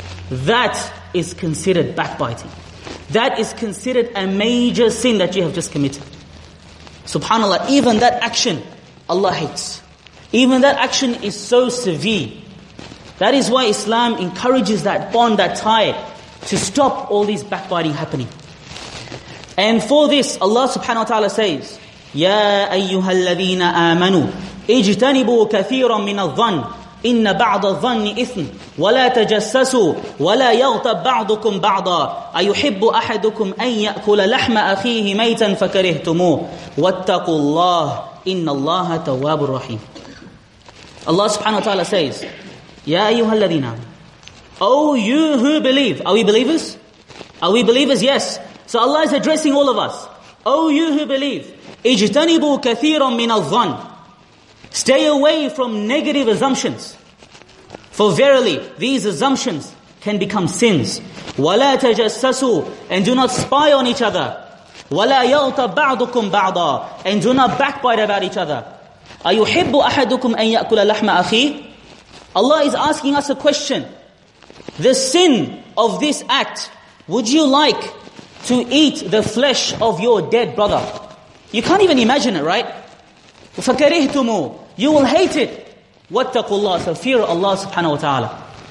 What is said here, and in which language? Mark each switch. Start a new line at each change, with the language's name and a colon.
English: That is considered backbiting. That is considered a major sin that you have just committed. SubhanAllah, even that action, Allah hates. Even that action is so severe. That is why Islam encourages that bond, that tie, to stop all these backbiting happening. And for this, Allah subhanahu wa ta'ala says,
Arabic: يَا أَيُّهَا الَّذِينَ آمَنُوا اِجْتَنِبُوا كَثِيرًا مِّنَ الظَّنِّ إِنَّ بَعْضَ الظَّنِّ إِثْنِ وَلَا تَجَسَّسُوا وَلَا يَغْتَبْ بَعْضُكُمْ بَعْضًا أَيُحِبُّ أَحَدُكُمْ أَن يَأْكُلَ لَحْمَ أَخِيهِ مَيْتًا فَكَرِهْتُمُوهُ وَاتَّقُوا اللَّهِ إِنَّ اللَّهَ تَوَّابُ الرَّحِيمُ.
English: Allah subhanahu wa ta'ala says,
Arabic: يَا أَيُّهَا الَّذِينَ آمَنُوا.
English: Oh, you who believe. Are we believers? Are we believers? Yes. So Allah is addressing all of us. Oh, you who believe,
Arabic: اجتنبوا كثيرا من الظن.
English: Stay away from negative assumptions. For verily, these assumptions can become sins.
Arabic: وَلَا تَجَسَّسُوا.
English: And do not spy on each other.
Arabic: وَلَا يَغْتَ بَعْضُكُمْ بَعْضًا.
English: And do not backbite about each other.
Arabic: أَيُحِبُّ أَحَدُكُمْ أَن يَأْكُلَ لَحْمَ أَخِيهِ.
English: Allah is asking us a question. The sin of this act, would you like to eat the flesh of your dead brother? You can't even imagine it, right?
Arabic: فَكَرِهْتُمُوا.
English: You will hate it.
Arabic: وَاتَّقُوا اللَّهَ.
English: So fear Allah subhanahu wa ta'ala.